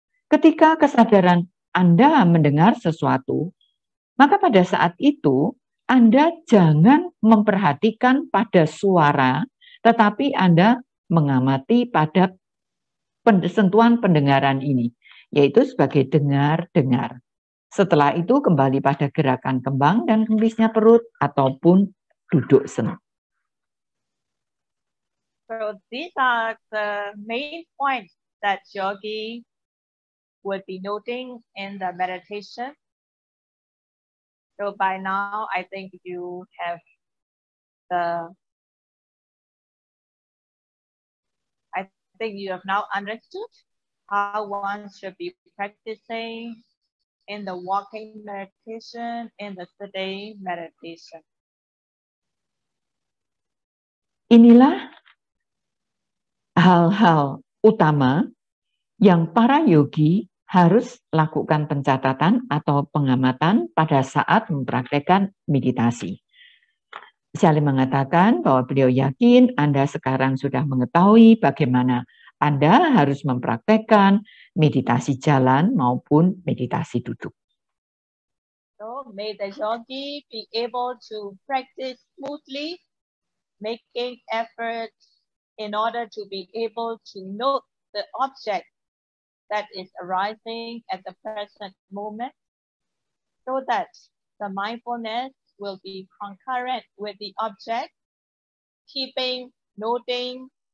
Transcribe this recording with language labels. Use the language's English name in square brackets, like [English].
[Indonesian] Ketika kesadaran Anda mendengar sesuatu, maka pada saat itu Anda jangan memperhatikan pada suara, tetapi Anda mengamati pada sentuhan pendengaran ini, yaitu sebagai dengar-dengar. Setelah itu kembali pada gerakan kembang dan kempisnya perut ataupun duduk senang. [English] So these are the main points that yogi would be noting in the meditation. So by now, I think you have now understood how one should be practicing in the walking meditation, in the sitting meditation. [Indonesian] Inilah hal-hal utama yang para yogi harus lakukan pencatatan atau pengamatan pada saat mempraktekkan meditasi. Shali mengatakan bahwa beliau yakin Anda sekarang sudah mengetahui bagaimana Anda harus mempraktekkan meditasi jalan maupun meditasi duduk. [English] So may the yogi be able to practice smoothly, making effort in order to be able to note the object that is arising at the present moment, so that the mindfulness will be concurrent with the object, keeping noting